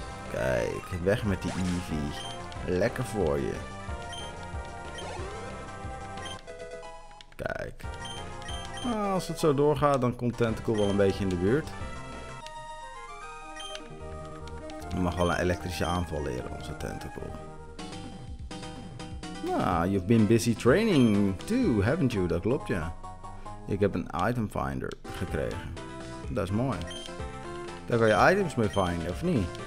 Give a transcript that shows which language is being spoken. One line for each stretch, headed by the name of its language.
Dutch: Kijk, weg met die Eevee. Lekker voor je. Kijk. Nou, als het zo doorgaat, dan komt Tentacool wel een beetje in de buurt. We mag wel een elektrische aanval leren, onze Tentacool.
English: Nou, you've been busy training too, haven't you?
Dutch: Dat klopt, ja. Ik heb een item finder gekregen. Dat is mooi. Daar kan je items mee vinden, of niet?